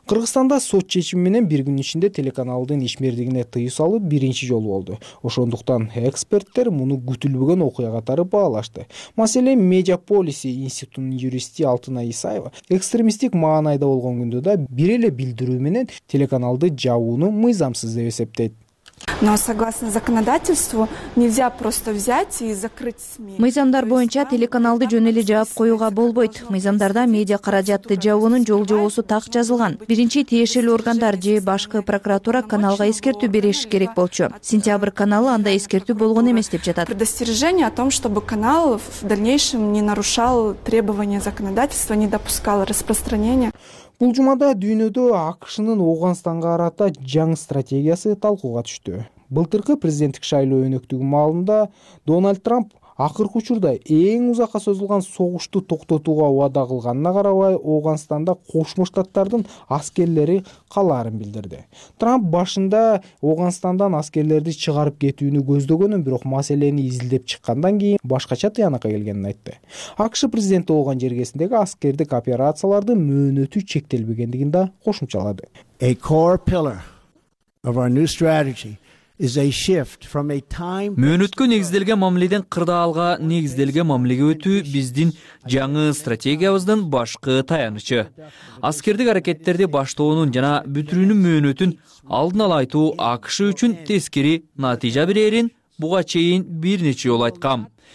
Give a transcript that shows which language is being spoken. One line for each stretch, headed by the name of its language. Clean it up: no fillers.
Kyrgyz: Кыргызстанда сот чечими менен бир күн ичинде телеканалдын ишмердигине тыюу салуу биринчи жолу болду. Ошондуктан эксперттер муну күтүлбөгөн окуя катары баалашты. Маселен, Медиаполиси институтунун юристи Алтынай Исаева экстремисттик маанайда болгон күндө да бир эле билдирүү менен телеканалды жабууну мыйзамсыз деп эсептейт.
Russian: Но согласно законодательству нельзя просто взять и закрыть СМИ.
Kyrgyz: Мыйзамдар боюнча телеканалды жөн эле жаап коюуга болбойт. Мыйзамдарда медиа каражатты жабуунун жол жобосу так жазылган. Биринчи тиешелүү органдар же башкы прокуратура каналга эскертүү бериш керек болчу. Сентябрь каналы андай эскертүү болгон эмес деп жатат.
Russian: Предостережение о том, чтобы канал в дальнейшем не нарушал требования законодательства, не допускал распространения.
Kyrgyz: Бул жумада дүйнөдө АКШнын Ооганстанга карата жаңы стратегиясы талкууга түштү. Былтыркы президенттик шайлоо өнөктүгү маалында Дональд Трамп акыркы учурда эң узакка созулган согушту токтотууга убада кылганына карабай, Ооганстанда Кошмо Штаттардын аскерлери калаарын билдирди. Трамп башында Оогонстандан аскерлерди чыгарып кетүүнү көздөгөнүн, бирок маселени изилдеп чыккандан кийин башкача тыянакка келгенин айтты. АКШ президенти Ооган жергесиндеги аскердик операциялардын мөөнөтү чектелбегендигин да кошумчалады.
English: A core pillar of our new strategy is a shift from a time
Kyrgyz: мөөнөткө негизделген мамиледен кырдаалга негизделген мамилеге өтүү биздин жаңы стратегиябыздын башкы таянычы. Аскердик аракеттерди баштоонун жана бүтүрүүнүн мөөнөтүн алдын ала айтуу АКШ үчүн тескери натыйжа берерин буга чейин бир нече жолу айткам.